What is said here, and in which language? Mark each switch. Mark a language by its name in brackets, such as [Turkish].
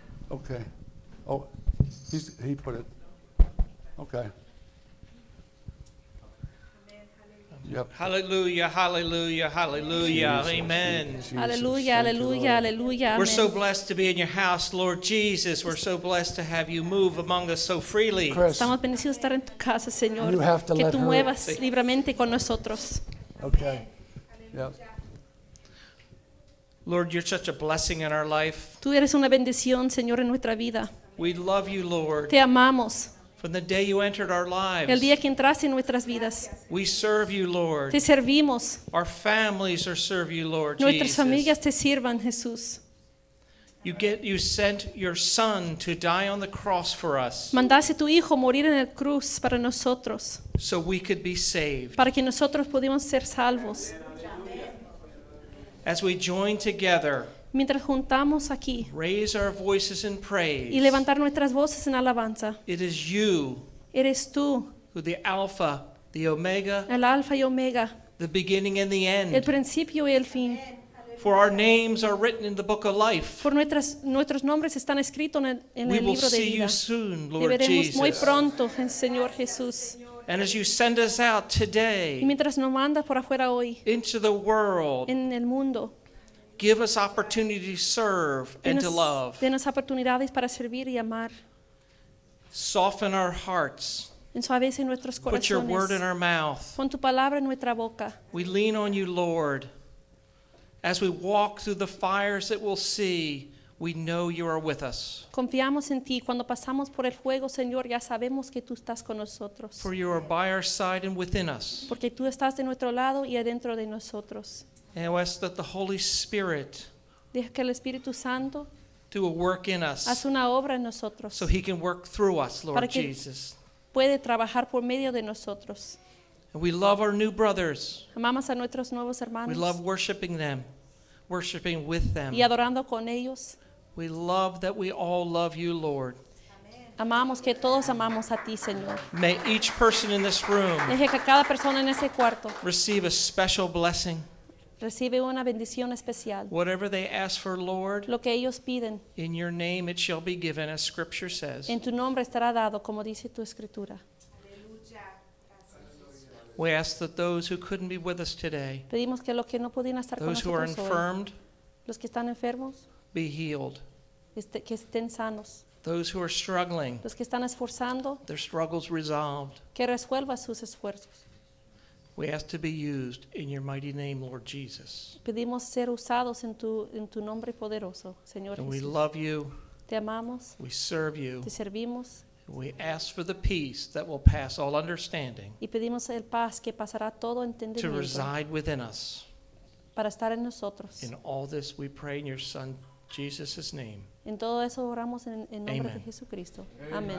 [English] Okay. Oh, he put it. Okay. Yep. Hallelujah, hallelujah, hallelujah. Jesus. Amen. Jesus. Hallelujah, hallelujah, hallelujah. We're so blessed to be in your house, Lord Jesus. We're so blessed to have you move among us so freely. [Spanish] Estamos bendecidos estar en tu casa, Señor. [English] You have to [Spanish] que [English] let [Spanish] tú muevas libremente con nosotros. [English] Okay. Yep. Lord, you're such a blessing in our life. [Spanish] Tú eres una bendición, Señor, en nuestra vida. [English] We love you, Lord. [Spanish] Te amamos. [English] From the day you entered our lives. [Spanish] El día que entraste en nuestras vidas. [English] We serve you, Lord. [Spanish] Te servimos. [English] Our families are serve you, Lord. [Spanish] Nuestras familias te sirvan, Jesús. [English] You sent your son to die on the cross for us. [Spanish] Mandaste tu hijo morir en la cruz para nosotros. [English] So we could be saved. [Spanish] Para que nosotros pudimos ser salvos. [English] As we join together. [Spanish] Mientras juntamos aquí. [English] Raise our voices in praise. [Spanish] Y levantar nuestras voces en alabanza. [English] It is you. [Spanish] Eres tú. [English] Who the Alpha, the Omega. [Spanish] El Alfa y Omega. [English] The beginning and the end. [Spanish] El principio y el fin. [English] For our names are written in the book of life. [Spanish] Por nuestros nombres están escritos en el libro de vida. [English] We will see you soon, Lord Jesus. [Spanish] Te veremos muy pronto, Señor Jesús. [English] And as you send us out today. [Spanish] Y mientras nos mandas por afuera hoy. [English] Into the world. [Spanish] En el mundo. [English] Give us opportunity to serve and to love. [Spanish] Denos oportunidades para servir y amar. [English] Soften our hearts. [Spanish] Ensuavece nuestros corazones. [English] Put your word in our mouth. [Spanish] Pon tu palabra en nuestra boca. [English] We lean on you, Lord. As we walk through the fires that we'll see, we know you are with us. [Spanish] Confiamos en ti. Cuando pasamos por el fuego, Señor, ya sabemos que tú estás con nosotros. [English] For you are by our side and within us. [Spanish] Porque tú estás de nuestro lado y adentro de nosotros. [English] And we ask that the Holy Spirit [Spanish] deja que el Espíritu Santo [English] do a work in us. [Spanish] Haz una obra en nosotros. [English] So he can work through us, Lord [Spanish] para que [English] Jesus. [Spanish] Puede trabajar por medio de nosotros. [English] We love our new brothers. [Spanish] Amamos a nuestros nuevos hermanos. [English] We love worshiping them, worshiping with them. [Spanish] Y adorando con ellos. [English] We love that we all love you, Lord. [Spanish] Amen. Amamos que todos amamos a ti, Señor. [English] May each person in this room [Spanish] deje que cada persona en ese cuarto [English] receive a special blessing. [Spanish] Recibe una bendición especial. [English] Whatever they ask for, Lord, [Spanish] lo que ellos piden, [English] in your name it shall be given, as Scripture says. [Spanish] En tu nombre estará dado, como dice tu escritura. [English] We ask that those who couldn't be with us today, [Spanish] pedimos que los que no podían estar [English] those who are infirmed, [Spanish] los que están enfermos, [English] be healed. [Spanish] Que estén sanos. [English] Those who are struggling, [Spanish] los que están esforzando, [English] their struggles resolved. [Spanish] Que resuelva sus esfuerzos. [English] We ask to be used in your mighty name, Lord Jesus. [Spanish] Pedimos ser usados en tu nombre poderoso, Señor Jesús. [English] And we love you. [Spanish] Te amamos. [English] We serve you. [Spanish] Te servimos. [English] We ask for the peace that will pass all understanding. [Spanish] Y pedimos el paz que pasará todo entendimiento. [English] To reside within us. [Spanish] Para estar en nosotros. [English] In all this we pray in your Son Jesus' name. [Spanish] En todo eso oramos en nombre de Jesucristo. Amén.